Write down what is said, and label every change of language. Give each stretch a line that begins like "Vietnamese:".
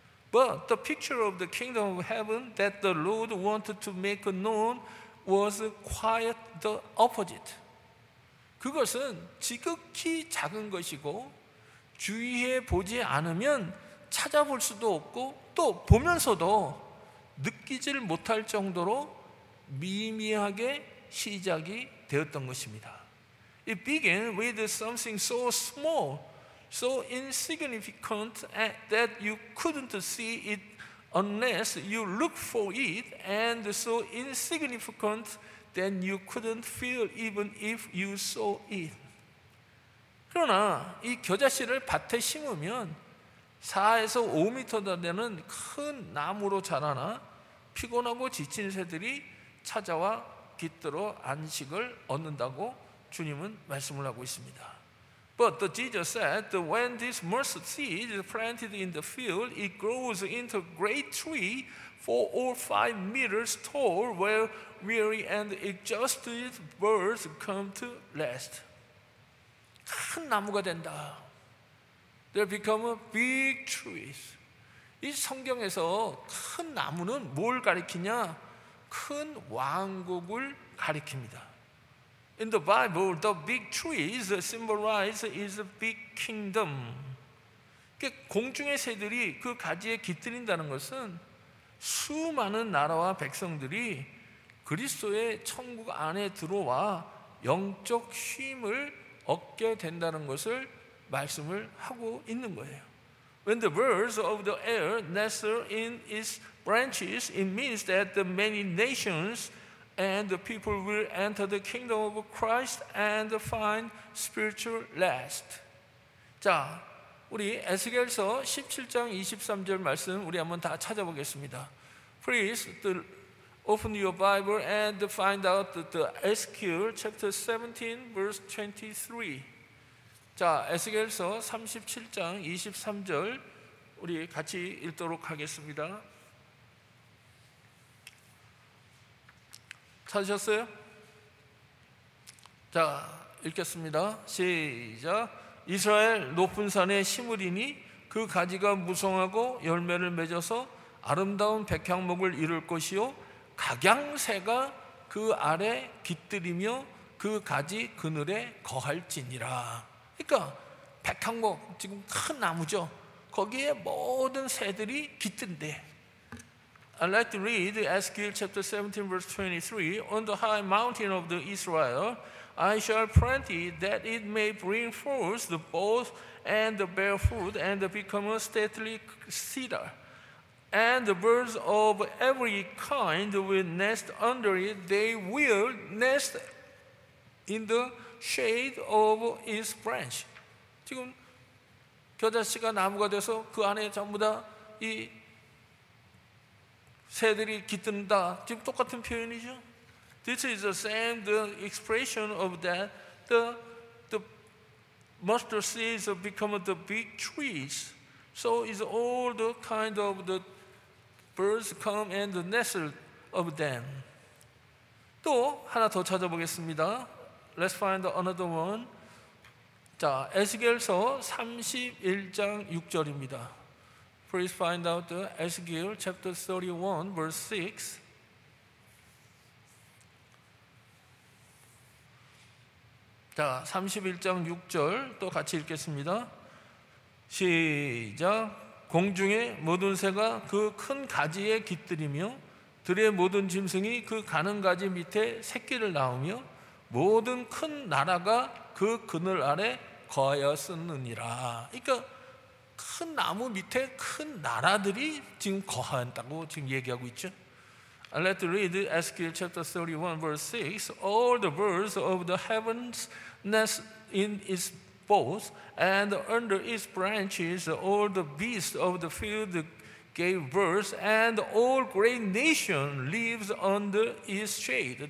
English: But the picture of the kingdom of heaven that the Lord wanted to make known was quite the opposite.
Korean: 그것은 지극히 작은 것이고 주위에 보지 않으면 찾아볼 수도 없고 또 보면서도 느끼질 못할 정도로 미미하게 시작이 되었던 것입니다.
English: It began with something so small, so insignificant that you couldn't see it unless you look for it, and so insignificant then you couldn't feel even if you saw it.
Korean: 그러나 이 겨자 씨를 밭에 심으면 4에서 5미터 되는 큰 나무로 자라나 피곤하고 지친 새들이 찾아와 깃들어 안식을 얻는다고 주님은 말씀을 하고 있습니다.
English: But the Jesus said that when this mustard seed is planted in the field, it grows into a great tree 4 or 5 meters tall, where weary and exhausted birds come to rest.
Korean: 큰 나무가 된다.
English: They become a big trees.
Korean: 이 성경에서 큰 나무는 뭘 가리키냐? 큰 왕국을 가리킵니다.
English: In the Bible, the big tree is symbolized as a big kingdom.
Korean: 공중의 새들이 그 가지에 깃들인다는 것은 수많은 나라와 백성들이 그리스도의 천국 안에 들어와 영적 힘을 얻게 된다는 것을 말씀을 하고 있는 거예요.
English: When the birds of the air nestle in its branches, it means that the many nations and the people will enter the kingdom of Christ and find spiritual rest.
Korean: 자, 우리 에스겔서 17장 23절 말씀 우리 한번 다 찾아보겠습니다.
English: Please open your Bible and find out the Ezekiel chapter 17 verse 23.
Korean: 자, 에스겔서 37장 23절 우리 같이 읽도록 하겠습니다. 찾으셨어요? 자, 읽겠습니다. 시작. 이스라엘 높은 산에 심으리니 그 가지가 무성하고 열매를 맺어서 아름다운 백향목을 이룰 것이요 각양새가 그 아래 깃들이며 그 가지 그늘에 거할지니라. 그러니까 백향목 지금 큰 나무죠. 거기에 모든 새들이 깃든데.
English: I'd like to read Ezekiel chapter 17 verse 23. On the high mountain of the Israel, I shall plant it that it may bring forth the boughs and the bear fruit and become a stately cedar. And the birds of every kind will nest under it. They will nest in the shade of its branch.
Korean: 지금 겨자씨가 나무가 돼서 그 안에 전부 다 이 새들이 깃든다. 지금 똑같은 표현이죠.
English: This is the same the expression of that the mustard seeds have become the big trees. So is all the kind of the birds come and the nest of them.
Korean: 또 하나 더 찾아보겠습니다.
English: Let's find another one.
Korean: 자, 에스겔서 31장 6절입니다.
English: Please find out the Ezekiel chapter 31 verse 6.
Korean: 자, 31장 6절 또 같이 읽겠습니다. 시작. 공중의 모든 새가 그 큰 가지에 깃들이며 들의 모든 짐승이 그 가는 가지 밑에 새끼를 낳으며 모든 큰 나라가 그 그늘 아래 거하였느니라. 그러니까 큰 나무 밑에 큰 나라들이 지금 거한다고 지금 얘기하고 있죠.
English: Let us read Ezekiel chapter 31 verse 6. All the birds of the heavens nest in its boughs, and under its branches all the beasts of the field gave birth, and all great nation lives under its shade.